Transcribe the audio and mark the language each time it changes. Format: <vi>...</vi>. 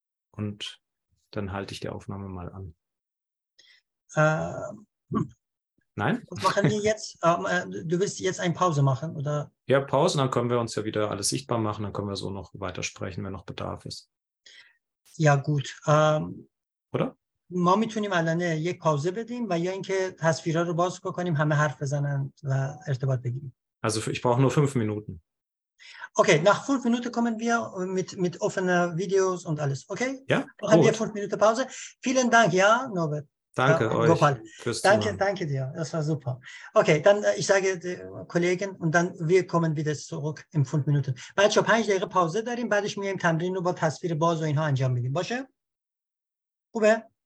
<de>Und dann halte ich die Aufnahme mal an. Nein? Machen wir jetzt, du willst jetzt eine Pause machen, oder? Ja, Pause, dann können wir uns ja wieder alles sichtbar machen, dann können wir so noch weitersprechen, wenn noch Bedarf ist. Ja, gut. Oder?</de> <fa>ما میتونیم الان یک پاوزه بدیم و یا اینکه تصویرها رو باز بکنیم همه حرف بزنن و ارتباط بگیریم.</fa> <de>Also ich brauche nur 5 Minuten. Okay, nach 5 Minuten kommen wir mit offenen Videos und alles. Okay? Ja, gut. Haben wir 5 Minuten Pause. Vielen Dank, ja, Norbert. Danke euch Gopal. Fürs danke, Zuhören. Danke dir, das war super. Okay, dann ich sage den Kollegen und dann wir kommen wieder zurück in 5 Minuten.</de> <fa>بچه ها 5 دقیقه پاوزه داریم بعدش میایم تمرین رو با تصویر باز و اینها انجام میدیم. باشه؟ خوبه؟</fa>